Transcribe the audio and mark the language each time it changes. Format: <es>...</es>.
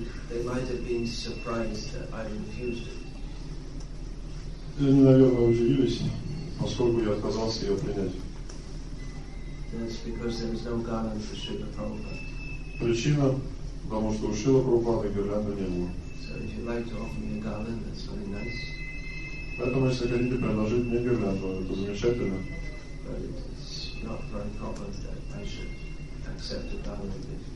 <en>They might have been surprised that I refused it.</en> <ru>Они, наверное, удивились, поскольку я отказался ее принять.</ru> <en>That's because there is no garland for Srila Prabhupada.</en> <ru>Причина, потому что у Шрилы Прабхупады гирлянды не было.</ru> <en>So if you'd like to offer me a garland, that's very nice.</en> <ru>Поэтому, если хотите предложить мне гирлянду, это замечательно.</ru> <en>But it's not very proper that I should accept a garland.</en>